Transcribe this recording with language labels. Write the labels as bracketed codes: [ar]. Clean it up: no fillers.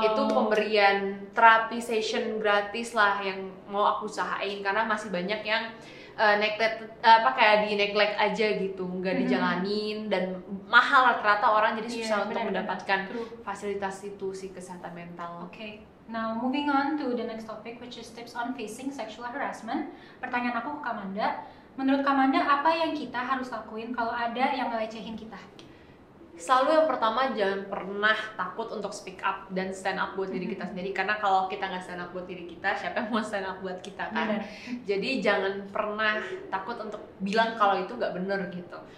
[id] itu pemberian therapy session gratis lah yang mau aku usahain, karena masih banyak yang neglect aja gitu, nggak dijalanin, dan mahal rata-rata orang, jadi susah untuk mendapatkan fasilitas itu sih, kesehatan mental. Okay. [en] Now moving on to the next topic, which is tips on facing sexual harassment. [id] Pertanyaan aku ke Kamanda, menurut Kamanda apa yang kita harus lakuin kalau ada yang ngelecehin kita? Selalu yang pertama, jangan pernah takut untuk speak up dan stand up buat diri kita sendiri, karena kalau kita nggak stand up buat diri kita, siapa yang mau stand up buat kita kan? Jadi jangan pernah takut untuk bilang kalau itu nggak benar gitu.